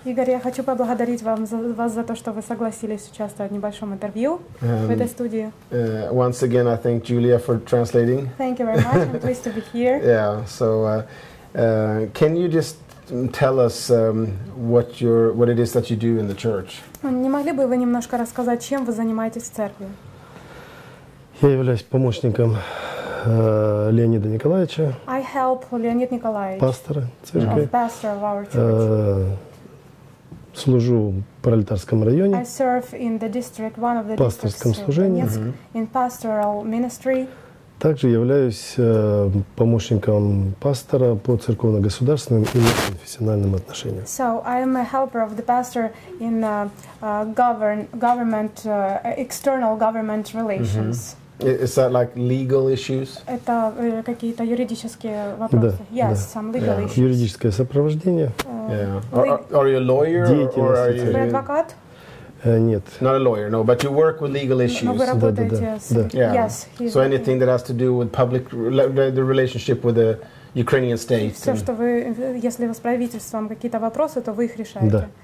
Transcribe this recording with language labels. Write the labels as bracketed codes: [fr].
[ru] Igor, я хочу поблагодарить вас за то, что вы согласились участвовать в небольшом интервью в этой студии. [en] Once again, I thank Julia for translating. Thank you very much. I'm pleased to be here. Yeah. So can you just tell us what it is that you do in the church? [ru] Не могли бы вы немножко рассказать, чем вы занимаетесь в церкви? Я являюсь помощником Леонида Николаевича. [en] I help Леонид Николаевич. [ru] Пастора церкви. [en] Pastor of our church. [ru] Служу в пролетарском районе. [en] I serve in the district, one of the [ru] пасторском служении. [en] In pastoral ministry. [ru] Также являюсь помощником пастора по церковно-государственным и профессиональным отношениям. [en] So I am a helper of the pastor in government external government relations. Mm-hmm. Is that like legal issues? [ru] Это какие-то юридические вопросы. Да, [en] yes, [ru] да. [en] Some legal issues. [ru] Юридическое сопровождение. [en] Yeah. Are you a lawyer or are you... [ru] Вы адвокат? Нет. [en] Not a lawyer, no, but you work with legal issues. [ru] Но вы работаете да, да, да. С... [en] Yeah. Yes. So anything that has to do with public, the relationship with the Ukrainian state. [ru] Все, что вы, если вы с правительством какие-то вопросы, то вы их решаете.